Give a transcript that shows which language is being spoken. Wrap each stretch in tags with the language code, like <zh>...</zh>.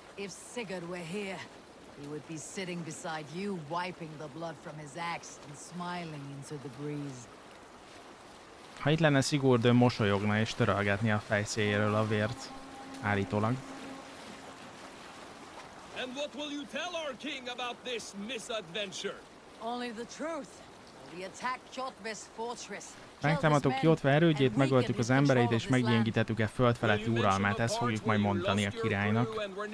<en>If Sigurd were here, he would be sitting beside you, wiping the blood from his axe and smiling into the breeze.</en> <hu>Ha itt lenne Sigurd, ő mosolyogna és törölgetni a fejszéjéről a vért, állítólag.</hu> <en>And what will you tell our king about this misadventure? Only the truth. We attack Jotve's fortress.</en> <hu>Megtámadtuk Jotve erődjét, megöltük az embereit és meggyengítettük a föld feletti uralmát, ezt fogjuk majd mondani a királynak.</hu>